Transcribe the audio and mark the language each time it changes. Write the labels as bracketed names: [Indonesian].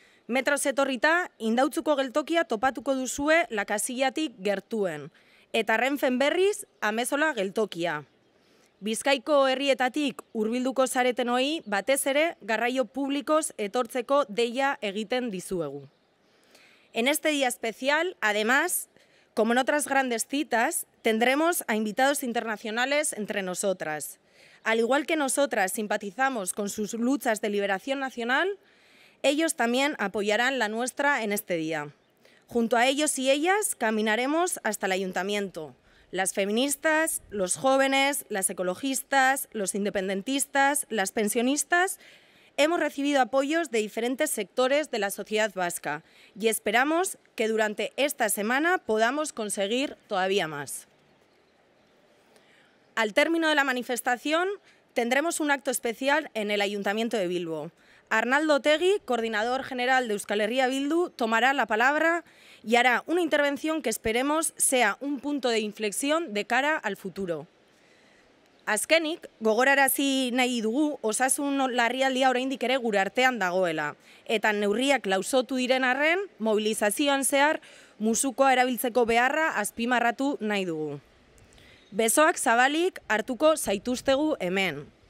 [Basque] Metro zetorrita, Indautzuko geltokia topatuko duzue La Casillatik gertuen, eta Renfen berriz, Amezola geltokia. Bizkaiko herrietatik hurbilduko zaretenoi batez ere garraio publikoz etortzeko deia egiten dizuegu. [Spanish] En este día especial, además, como en otras grandes citas, tendremos a invitados internacionales entre nosotras. Al igual que nosotras simpatizamos con sus luchas de liberación nacional, ellos también apoyarán la nuestra en este día. Junto a ellos y ellas caminaremos hasta el ayuntamiento. Las feministas, los jóvenes, las ecologistas, los independentistas, las pensionistas, hemos recibido apoyos de diferentes sectores de la sociedad vasca y esperamos que durante esta semana podamos conseguir todavía más. Al término de la manifestación, tendremos un acto especial en el Ayuntamiento de Bilbo. Arnaldo Otegi, coordinador general de Euskal Herria Bildu, tomará la palabra y hará una intervención que esperemos sea un punto de inflexión de cara al futuro. [Basque] Azkenik, gogorarazi nahi dugu, osasun larrialdia oraindik ere gure artean dagoela, eta neurriak lausotu diren arren, mobilizazioan zehar, musukoa erabiltzeko beharra azpimarratu nahi dugu. Besoak zabalik hartuko zaituztegu hemen.